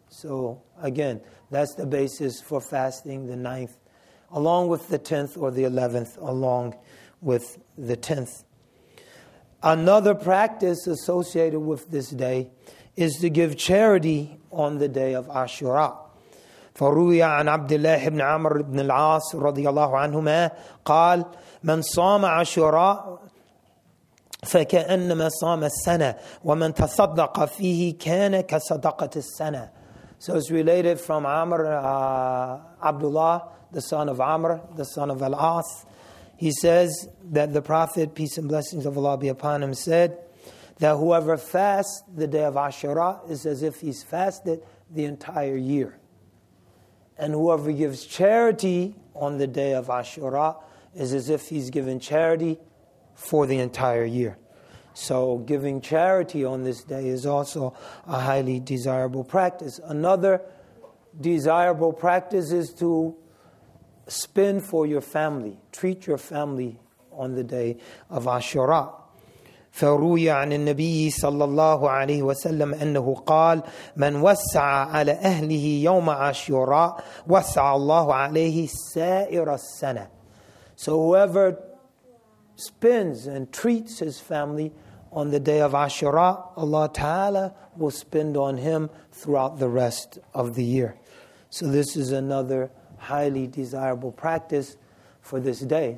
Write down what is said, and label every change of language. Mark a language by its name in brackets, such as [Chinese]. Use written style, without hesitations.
[English] So again, that's the basis for fasting the 9th along with the 10th or the 11th along with the 10th. Another practice associated with this day is to give charity on the day of Ashura. [Arabic] فروي عن عبد الله بن عمر بن العاص رضي الله عنهما قال من صام عاشوراء فكأنما صام السنة ومن تصدق فيه كان كصدقة السنة. [English] So it's related from Amr, Abdullah, the son of Amr, the son of Al-As. He says that the Prophet, peace and blessings of Allah be upon him, said that whoever fasts the day of Ashura is as if he's fasted the entire year. And whoever gives charity on the day of Ashura is as if he's given charity for the entire year. So giving charity on this day is also a highly desirable practice. Another desirable practice is to spend for your family, treat your family on the day of Ashura. [Arabic] فروي عن النبي صلى الله عليه وسلم أنه قال من وسع على أهله يوم عاشوراء وسع الله عليه سائر السنة. [English] So whoever spends and treats his family on the day of Ashura, Allah Ta'ala will spend on him throughout the rest of the year. So this is another highly desirable practice for this day.